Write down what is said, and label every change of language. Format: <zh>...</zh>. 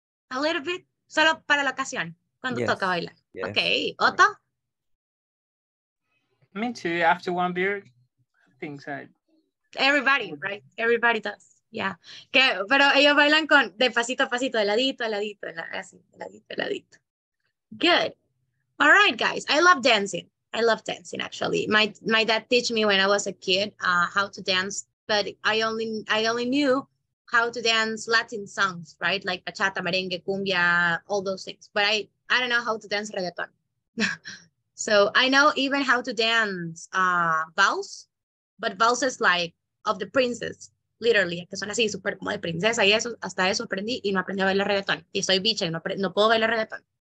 <en>A little bit?</en> <es>Solo para la ocasión, cuando yes. Toca bailar. Yes. Okay, Otto?</es> <en>Me too, after one beer, things are... Everybody, right? Everybody does, yeah.</en> <es>Que, pero ellos bailan con de pasito a pasito, de ladito a ladito, de ladito, así, de ladito a ladito.</es> <en>Good. All right, guys, I love dancing, actually. My dad teach me when I was a kid how to dance, but I only knew how to dance Latin songs, right? Like bachata, merengue, cumbia, all those things. But I don't know how to dance reggaeton. So I know even how to dance vals, but vals is like of the princess, literally.</en> <es>Que son así, super como de princesa. Y eso, hasta eso aprendí y no aprendí a bailar reggaeton. Y soy bicha y no puedo bailar reggaeton.</es>